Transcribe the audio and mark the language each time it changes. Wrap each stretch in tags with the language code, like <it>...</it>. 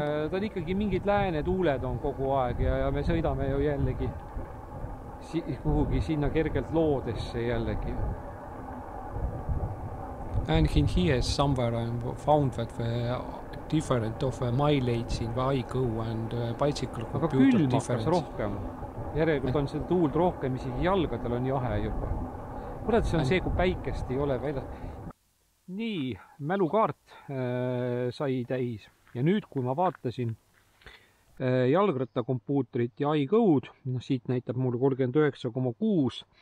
<et>Ta on ikkagi mingid lääne tuuled on kogu aeg ja me sõidame ju jällegi kuhugi sinna kergelt loodesse jällegi.</et> <en>And in here somewhere I found that the different of mileage in the iGo and bicycle computer difference.</en> <et>Rohkem. Järelikult on seda tuult rohkem, mis jalgadel on jahe juba. Kuidas see on see, kui päikest ei ole väljas? Nii, mälukaart sai täis. Ja nüüd, kui ma vaatasin jalgrattakompuutrit ja iGo'd, siit näitab mul 39,6.</et>